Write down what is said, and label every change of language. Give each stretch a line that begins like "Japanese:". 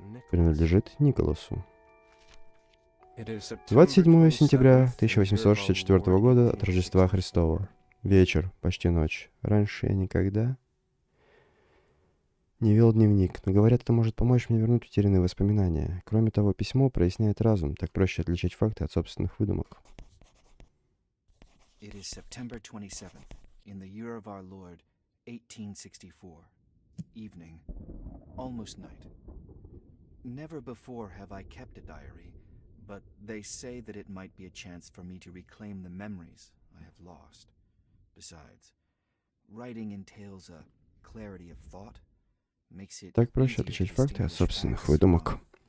Russian: Принадлежит Николасу. 27 сентября 1864 года от Рождества Христова. Вечер, почти ночь. Раньше я никогда не вел дневник, но, говорят, это может помочь мне вернуть утерянные воспоминания. Кроме того, письмо проясняет разум. Так проще отличать факты от собственных выдумок.
English: It is September 27th, in the year of our Lord, 1864. Evening. Almost night. Never before have I kept a diary, but they say that it might be a chance for me to reclaim the memories I have lost. Besides, writing entails a clarity of thought.
Russian: Так проще отличить факты от собственных выдумок.